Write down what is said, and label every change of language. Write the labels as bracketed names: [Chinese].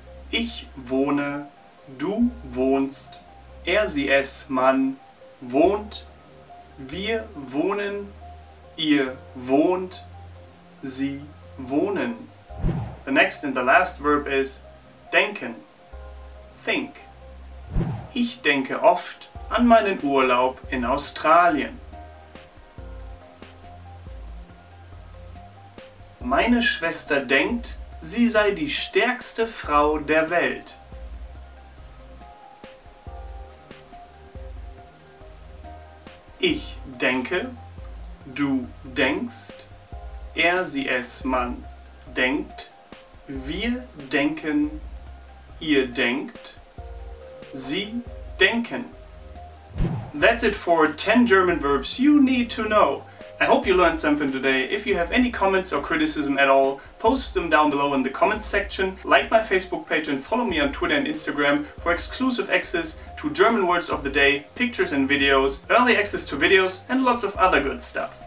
[German] Ich wohne, du wohnst, er, sie, es, man wohnt, wir wohnen, ihr wohnt, sie wohnen. [English] The next and the last verb is denken. Think. [German] Ich denke oft an meinen Urlaub in Australien. Meine Schwester denkt, sie sei die stärkste Frau der Welt. Ich denke, du denkst, er, sie, es, man denkt, wir denken, ihr denkt, sie denken. [English] That's it for 10 German verbs you need to know. I hope you learned something today. If you have any comments or criticism at all, post them down below in the comments section. Like my Facebook page and follow me on Twitter and Instagram for exclusive access to German words of the day, pictures and videos, early access to videos, and lots of other good stuff.